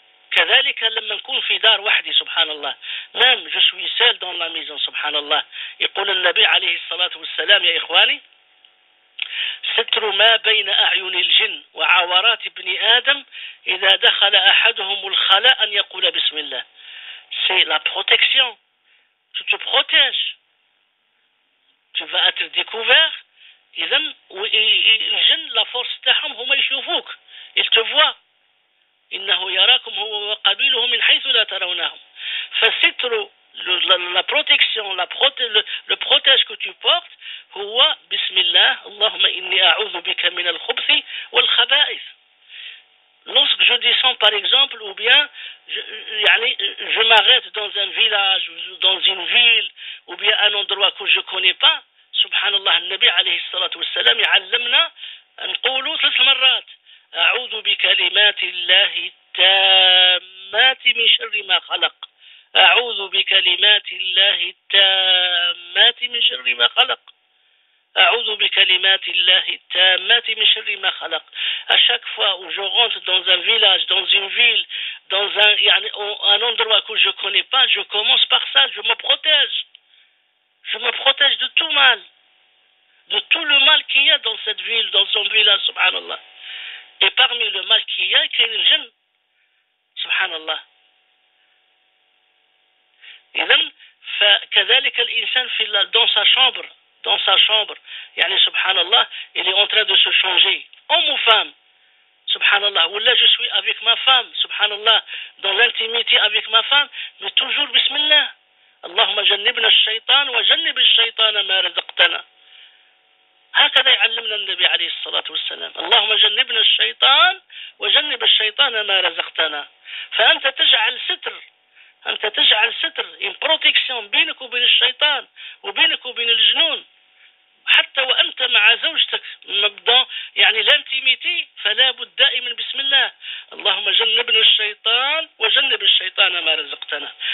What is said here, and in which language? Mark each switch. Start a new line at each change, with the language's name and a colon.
Arabic: كذلك لما نكون في دار وحدي سبحان الله، نعم
French: جو سوي سال دون لا ميزون
Arabic: سبحان الله. يقول النبي عليه الصلاة والسلام يا إخواني: ستر ما بين أعين الجن وعورات ابن آدم إذا دخل أحدهم الخلاء أن يقول بسم الله.
French: سي لا بروتكسيون، tu te protèges, tu vas être découvert.
Arabic: إذا الجن
French: لا فورس
Arabic: تاعهم هما يشوفوك،
French: ils te voient.
Arabic: إنه يراكم هو وقبيله من حيث لا ترونهم. فستر
French: la protection, le protège que tu portes,
Arabic: هو بسم الله اللهم إني أعوذ بك من الخبث والخبائث.
French: Lorsque je descends par exemple, ou bien je m'arrête dans un village, dans une ville, ou bien un endroit que je ne connais pas,
Arabic: سبحان الله النبي عليه الصلاة والسلام يعلمنا أن قولوا ثلاث مرات أعوذ بكلمات الله التامات من شر ما خلق، أعوذ بكلمات الله التامات من شر ما خلق، أعوذ بكلمات الله التامات من شر ما خلق.
French: À chaque fois où je rentre dans un village, dans une ville, dans un
Arabic: يعني
French: un endroit que je connais pas, je commence par ça, je me protège. Je me protège de tout mal, de tout le mal qu'il y a dans cette ville, dans son village, subhanallah. Et parmi le mal qu'il y a, il y a le jinn, subhanallah.
Arabic: إذن كذلك الإنسان في
French: dans sa chambre, dans sa chambre,
Arabic: يعني
French: subhanallah, il est en train de se changer, homme ou femme, subhanallah. Ou là je suis avec ma femme, subhanallah, dans l'intimité avec ma femme, mais toujours bismillah.
Arabic: اللهم جنبنا الشيطان وجنب الشيطان ما رزقتنا. هكذا يعلمنا النبي عليه الصلاة والسلام: اللهم جنبنا الشيطان وجنب الشيطان ما رزقتنا. فأنت تجعل ستر، أنت تجعل ستر
French: إن بروتكسيون
Arabic: بينك وبين الشيطان وبينك وبين الجنون، حتى وأنت مع زوجتك يعني لانتيميتي فلا بد دائما بسم الله: اللهم جنبنا الشيطان وجنب الشيطان ما رزقتنا.